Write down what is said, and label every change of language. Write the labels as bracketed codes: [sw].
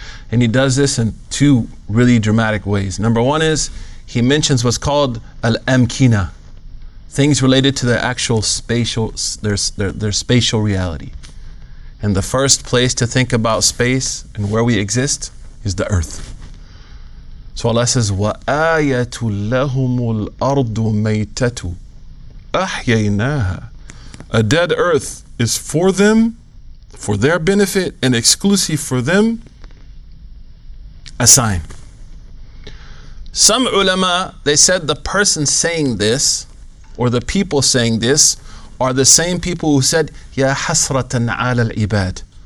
[en] And he does this in two really dramatic ways. Number one is, he mentions what's called al-amkina, things related to their actual spatial, their spatial reality. And the first place to think about space and where we exist is the earth. So Allah says, [ar] وَآيَةُ لَهُمُ الْأَرْضُ مَيْتَةُ أَحْيَيْنَاهَا. [en] A dead earth is for them, for their benefit, and exclusive for them, a sign. Some ulama, they said the person saying this, or the people saying this, are the same people who said, [ar] Ya hasratan ala al-ibad.